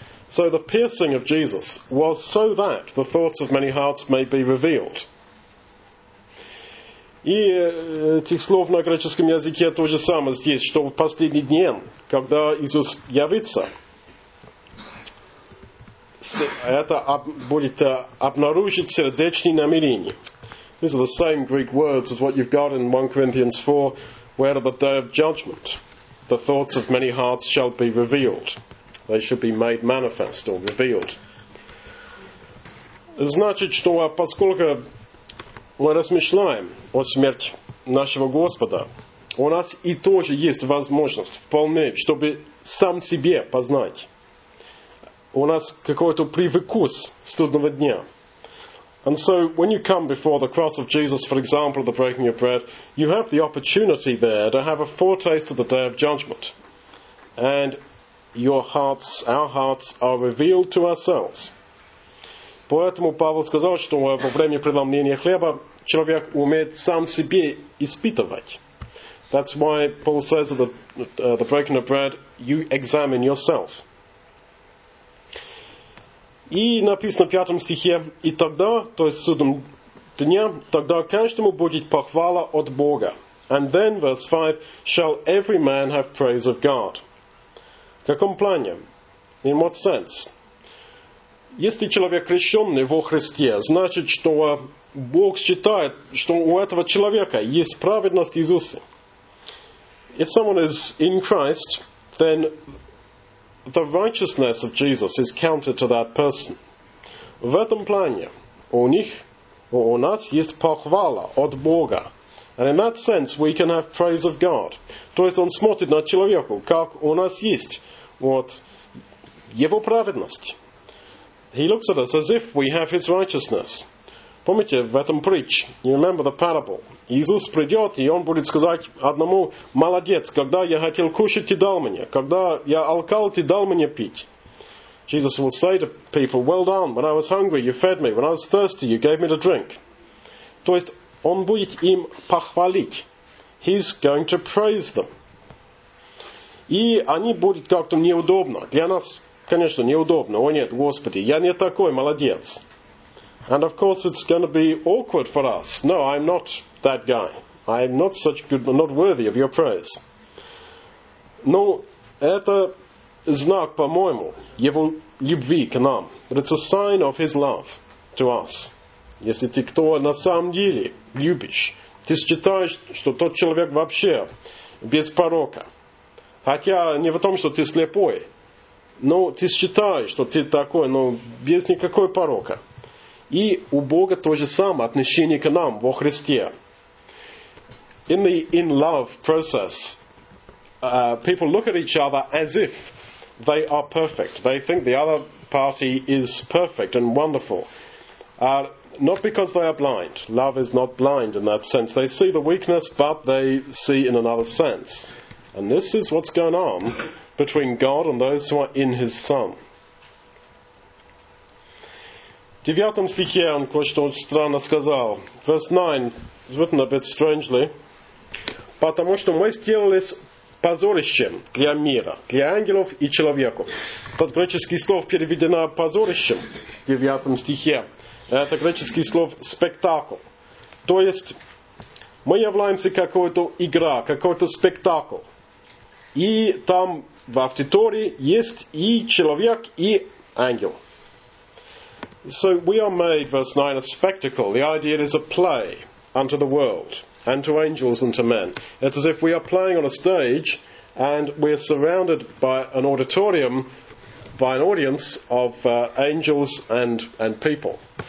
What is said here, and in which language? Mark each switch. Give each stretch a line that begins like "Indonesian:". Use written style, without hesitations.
English: So the piercing of Jesus was so that the thoughts of many hearts may be revealed.
Russian: И этих слов на греческом языке то же самое здесь, что в последний день, когда Иисус явится, это будет обнаружить сердечные намерения.
English: These are the same Greek words as what you've got in 1 Corinthians 4, where at the day of judgment the thoughts of many hearts shall be revealed. They should be made manifest or revealed.
Russian: Значит, что поскольку мы размышляем о смерти нашего Господа, у нас и тоже есть возможность вполне, чтобы сам себе познать. У нас какой-то привкус судного дня.
English: And so, when you come before the cross of Jesus, for example, the breaking of bread, you have the opportunity there to have a foretaste of the day of judgment. And your hearts, our hearts, are revealed to ourselves.
Russian: Поэтому Павел сказал, что во время преломления хлеба человек умеет сам себе испытывать.
English: That's why Paul says of the breaking of bread, you examine yourself.
Russian: И написано в пятом стихе, и тогда, то есть в судном дне, тогда каждому будет похвала от Бога.
English: And then, verse 5, shall every man have praise of God.
Russian: В каком плане?
English: In what sense?
Russian: Если человек крещенный во Христе, значит, что Бог считает, что у этого человека есть праведность Иисуса.
English: If someone is in Christ, then the righteousness of Jesus is counted to that person.
Russian: В этом плане у них, у нас есть похвала от Бога.
English: And in that sense, we can have praise of God.
Russian: То есть он смотрит на человека, как у нас есть вот его праведность.
English: He looks at us as if we have his righteousness.
Russian: Помните в этом притч,
English: you remember the parable.
Russian: Иисус придет, и он будет сказать одному, молодец, когда я хотел кушать, ты дал мне. Когда я алкал, ты дал мне пить.
English: Jesus will say to people, well done, when I was hungry, you fed me. When I was thirsty, you gave me the drink.
Russian: То есть, он будет им похвалить.
English: He's going to praise them.
Russian: И они будут как-то неудобно для нас. Конечно, неудобно. О нет, Господи, я не такой, молодец.
English: And of course, it's going to be awkward for us. No, I'm not that guy. I'm not such good, not worthy of your praise.
Russian: Но это знак, по-моему, его любви к нам.
English: But it's a sign of his love to us.
Russian: Если ты кто на самом деле любишь, ты считаешь, что тот человек вообще без порока. Хотя не в том, что ты слепой. Но ты считаешь, что ты такой, но без никакой порока. И у Бога то же самое отношение к нам во Христе.
English: In the in love process, people look at each other as if they are perfect. They think the other party is perfect and wonderful. Not because they are blind. Love is not blind in that sense. They see the weakness, but they see in another sense. And this is what's going on between God and those who are in His Son.
Russian: В 9 стихе он кое-что странно сказал.
English: Verse 9 is written a bit strangely.
Russian: Потому что мы сделались позорищем для мира, для ангелов и человеков. Под греческий слов переведено позорищем в 9 стихе. Это греческий слов спектакл. То есть мы являемся какой-то игра, какой-то спектакл. И там в аудитории есть и человек, и ангел.
English: So we are made, verse 9, a spectacle. The idea is a play unto the world, and to angels and to men. It's as if we are playing on a stage, and we are surrounded by an auditorium, by an audience of angels and people.